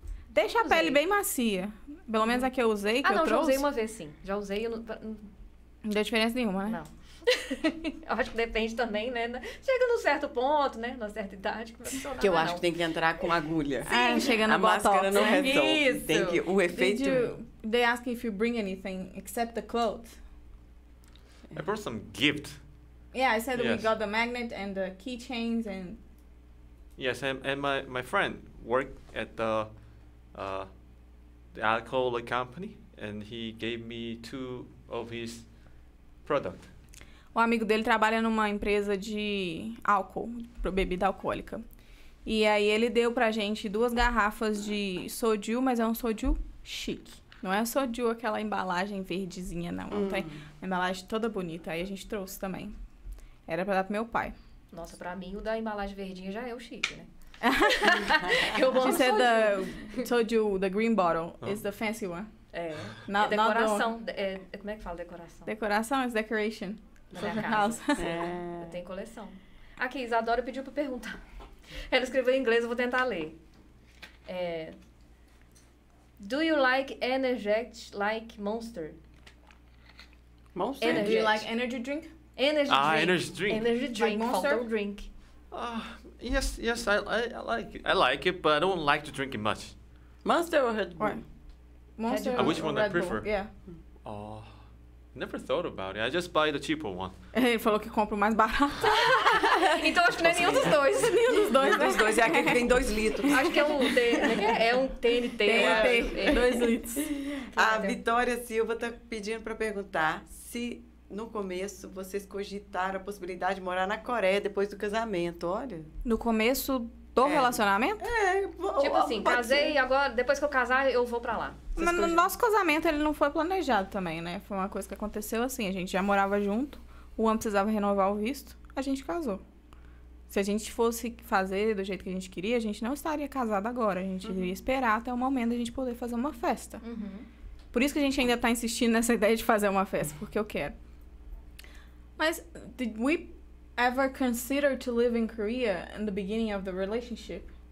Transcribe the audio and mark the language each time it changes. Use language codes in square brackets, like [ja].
[pt] Deixa a pele bem macia. Pelo menos a que eu usei, que eu trouxe. Ah, não, já usei uma vez, sim. Já usei. Não deu diferença nenhuma, né? Não. Eu acho que depende também, né? Chega num certo ponto, né? Numa certa idade. Que eu acho que tem que entrar com agulha. Sim, chegando no botox. A máscara não resolve. Isso. Tem que... O efeito... [en] They ask if you bring anything except the clothes. I brought some gift. Yeah, I said we got the magnet and the keychains and... Yes, and my friend worked at the alcohol company, and he gave me 2 of his product. [pt] O amigo dele trabalha numa empresa de álcool, bebida alcoólica. E aí ele deu pra gente 2 garrafas de soju, mas é um soju chique. Não é soju aquela embalagem verdezinha, não. Uhum. Tem uma embalagem toda bonita. Aí a gente trouxe também. Era pra dar pro meu pai. Nossa, pra mim o da embalagem verdinha já é o chique, né? [en] She said the green bottle is the fancy one. [pt] É. Como é que fala decoração? [en] Decoração is decoration. [pt] Na minha casa. Eu tenho coleção. Aqui, Isadora pediu pra perguntar. Ela escreveu em inglês, eu vou tentar ler. [en] Do you like energy like Monster? Monster? Do you like energy drink? Energy drink. Energy drink. Like Monster? Don't drink. Yes, I like it. I like it, but I don't like to drink it much. Monster or Red Bull? Monster. Which one Red I prefer? Bull. Yeah. Oh, never thought about it. I just buy the cheaper one. [pt] Ele falou que compra o mais barato. Então acho que não é nenhum dos dois. Nenhum dos dois. Dos dois é aquele que vem 2 litros. Acho que é um TNT. 2 litros. A Vitória Silva tá pedindo para perguntar se no começo, vocês cogitaram a possibilidade de morar na Coreia depois do casamento, olha. No começo do relacionamento? Tipo assim, casei e agora, depois que eu casar, eu vou pra lá. Mas no nosso casamento, ele não foi planejado também, né? Foi uma coisa que aconteceu assim, a gente já morava junto, o Juan precisava renovar o visto, a gente casou. Se a gente fosse fazer do jeito que a gente queria, a gente não estaria casada agora. A gente iria esperar até o momento de a gente poder fazer uma festa. Por isso que a gente ainda está insistindo nessa ideia de fazer uma festa, porque eu quero. [en] Mas, did we ever consider to live in Korea in the beginning of the relationship?